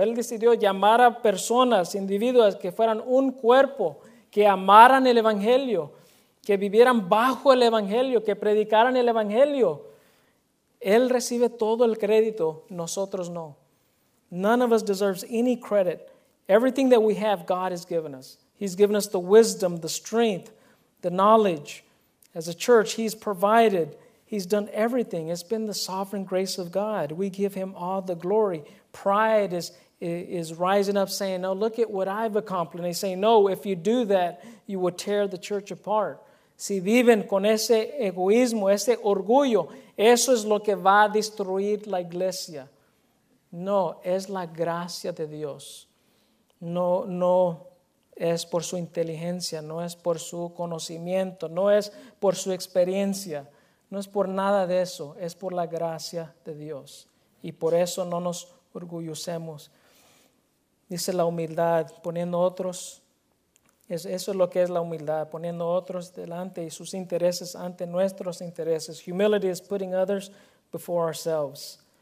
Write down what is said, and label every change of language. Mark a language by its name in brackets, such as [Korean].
[Spanish] Él decidió llamar a personas, individuos, que fueran un cuerpo, que amaran el evangelio, que vivieran bajo el evangelio, que predicaran el evangelio. Él recibe todo el crédito, nosotros no. [English] None of us deserves any credit. Everything that we have, God has given us. He's given us the wisdom, the strength, the knowledge. As a church, He's provided. He's done everything. It's been the sovereign grace of God. We give Him all the glory. Pride is rising up saying, no, look at what I've accomplished. And He's saying, no, if you do that, you will tear the church apart. [Spanish] Si viven con ese egoísmo, ese orgullo, eso es lo que va a destruir la iglesia. No, es la gracia de Dios. No es por su inteligencia, no es por su conocimiento, no es por su experiencia, no es por nada de eso, es por la gracia de Dios. Y por eso no nos orgullecemos. Dice la humildad, poniendo otros, eso es lo que es la humildad, poniendo otros delante y sus intereses ante nuestros intereses. [English] Humility is putting others before ourselves.